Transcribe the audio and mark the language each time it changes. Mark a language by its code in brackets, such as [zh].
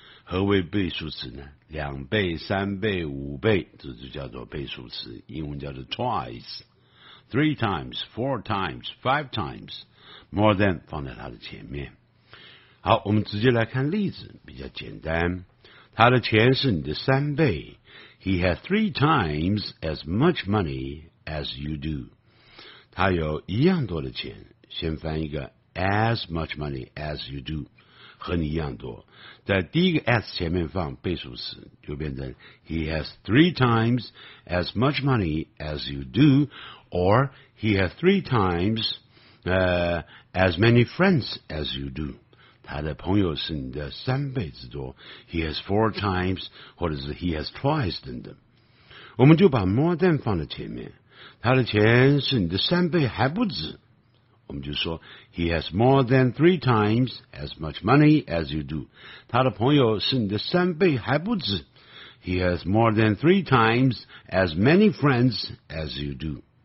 [zh] 何为倍数词呢？两倍、三倍、五倍，这就叫做倍数词，英文叫做 twice。 [en] Three times, four times, five times, more than [zh] 放在它的前面。好，我们直接来看例子，比较简单。他的钱是你的三倍。 [en] He has three times as much money as you do. [zh] 他有一样多的钱。先翻一个 [en] as much money as you do， [zh] 和你一样多。在第一个 as 前面放倍数词，就变成 [en] He has three times as much money as you do。 Or, he has three times, as many friends as you do. [zh] 他的朋友是你的三倍之多。 [en] He has four times, [zh] 或者是 [en] he has twice, [zh] 等等。我们就把 [en] more than [zh] 放在前面。他的钱是你的三倍还不止。我们就说 [en] he has more than three times as much money as you do. [zh] 他的朋友是你的三倍还不止。 [en] He has more than three times as many friends as you do.